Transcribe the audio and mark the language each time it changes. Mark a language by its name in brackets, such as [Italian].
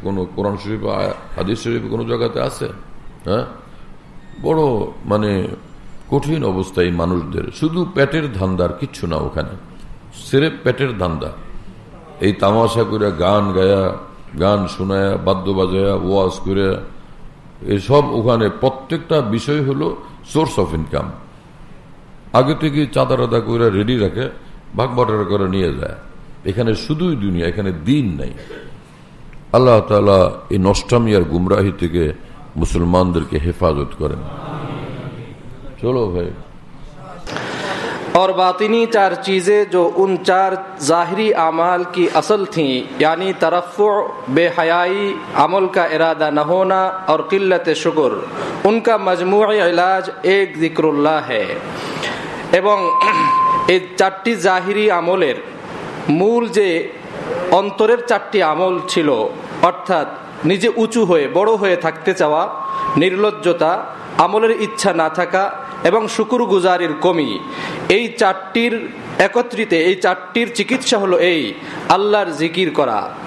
[Bangla] কোন কোরআন শরীফ হাদিস শরীফ কোন জায়গাতে আছে? হ্যাঁ, বড় মানে কঠিন অবস্থা এই মানুষদের, শুধু পেটের ধান্দার কিচ্ছু না, ওখানে সিরে পেটের ধান্দা, এই তামাশা করে গান গায়া, গান শোনায়া, বাদ্য বাজায়া, ওয়াজ করে, এসব ওখানে প্রত্যেকটা বিষয় হলো সোর্স অফ ইনকাম। আগে থেকে চাঁদা রাদা করে রেডি রাখে, ভাগ বটার করে নিয়ে যায়, এখানে শুধুই দুনিয়া, এখানে দিন নাই। আল্লাহ তাআলা এই নষ্টামিয়ার গুমরাহি থেকে মুসলমানদেরকে হেফাজত করেন। চলো ভাই, [Urdu] اور باطنی چار چیزیں جو ان چار ظاہری اعمال کی اصل تھیں، یعنی ترفع، بے حیائی، عمل کا ارادہ نہ ہونا اور قلت شکر، ان کا مجموعی علاج ایک ذکر اللہ ہے، ایبن [Bangla] এই চারটি জাহিরি আমলের মূল যে অন্তরের চারটি আমল ছিল, অর্থাৎ নিজে উঁচু হয়ে বড় হয়ে থাকতে চাওয়া, নির্লজ্জতা, আমলের ইচ্ছা না থাকা এবং শুকুর গুজারির কমি, এই চারটির একত্রিতে এই চারটির চিকিৎসা হলো এই আল্লাহর জিকির করা।